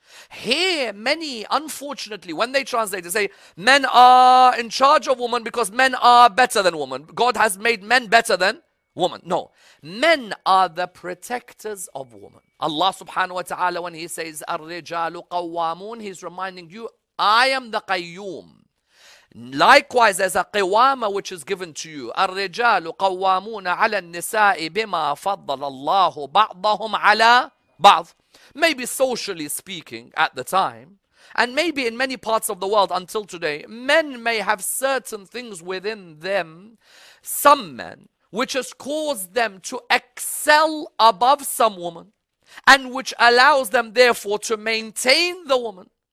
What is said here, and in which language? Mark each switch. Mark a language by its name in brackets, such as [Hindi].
[English] Here, many, unfortunately, when they translate, they say, men are in charge of women because men are better than women. God has made men better than women. No, men are the protectors of women. Allah subhanahu wa ta'ala, when He says, [Arabic] الرِّجَالُ قَوَّامُونَ, [English] He's reminding you, I am the Qayyum. Likewise, as a qiwama which is given to you, [Arabic] الرجال قوامون على النساء بما فضل الله بعضهم على بعض. [English] Maybe socially speaking at the time, and maybe in many parts of the world until today, men may have certain things within them, some men, which has caused them to excel above some woman, and which allows them therefore to maintain the woman.